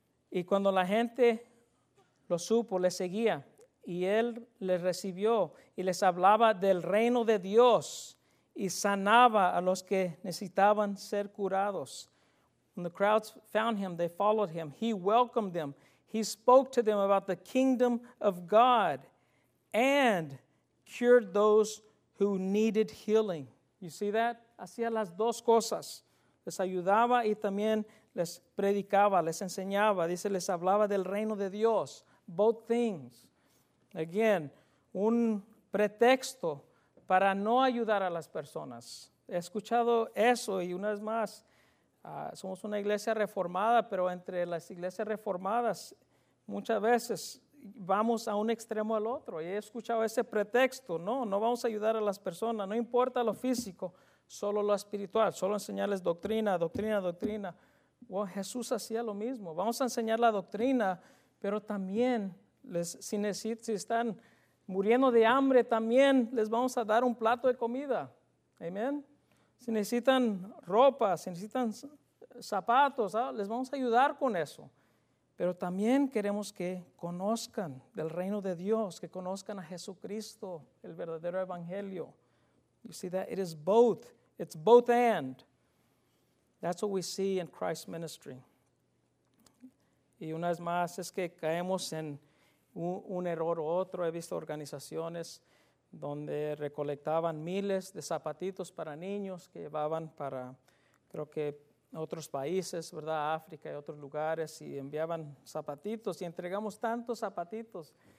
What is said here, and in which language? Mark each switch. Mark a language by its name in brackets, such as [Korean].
[Spanish] Y cuando la gente lo supo, le seguía, y él les recibió y les hablaba del reino de Dios y sanaba a los que necesitaban ser curados. [English] When the crowds found him, they followed him. He welcomed them. He spoke to them about the kingdom of God and cured those who needed healing. You see that? [Spanish] Hacía las dos cosas. Les ayudaba y también les predicaba, les enseñaba. Dice, les hablaba del reino de Dios. [English] Both things. [Spanish] Again, un pretexto para no ayudar a las personas. He escuchado eso y una vez más, somos una iglesia reformada, pero entre las iglesias reformadas muchas veces vamos a un extremo al otro. Y he escuchado ese pretexto, no vamos a ayudar a las personas, no importa lo físico, solo lo espiritual, solo enseñarles doctrina, doctrina, doctrina. Well, Jesús hacía lo mismo, vamos a enseñar la doctrina, pero también si están muriendo de hambre, también les vamos a dar un plato de comida. Amén. Si necesitan ropa, si necesitan zapatos, ¿sabes? Les vamos a ayudar con eso. Pero también queremos que conozcan del reino de Dios, que conozcan a Jesucristo, el verdadero evangelio. [English] You see that? It is both. It's both and. That's what we see in Christ's ministry. [Spanish] Y una vez más es que caemos en un error u otro. He visto organizaciones donde recolectaban miles de zapatitos para niños que llevaban para, creo que, otros países, ¿verdad? África y otros lugares, y enviaban zapatitos y entregamos tantos zapatitos.